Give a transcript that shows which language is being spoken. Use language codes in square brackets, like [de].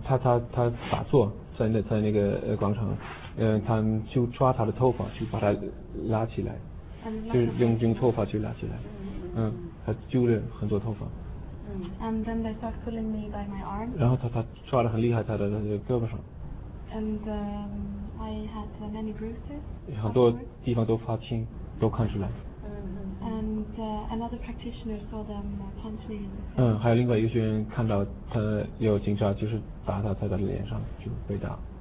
[zh] 他打坐在那个广场，他就抓他的头发，就把他拉起来，就用头发去拉起来。他揪了很多头发。 [en] And then they start pulling me by my arm. [zh] 然后他抓得很厉害，他的胳膊上。 [en] And I had many bruises. [zh] 很多地方都发青，都看出来。 [en] And another practitioner saw them punch me. [zh] 还有另外一个学员看到他有警察就是打他在他的脸上就被打。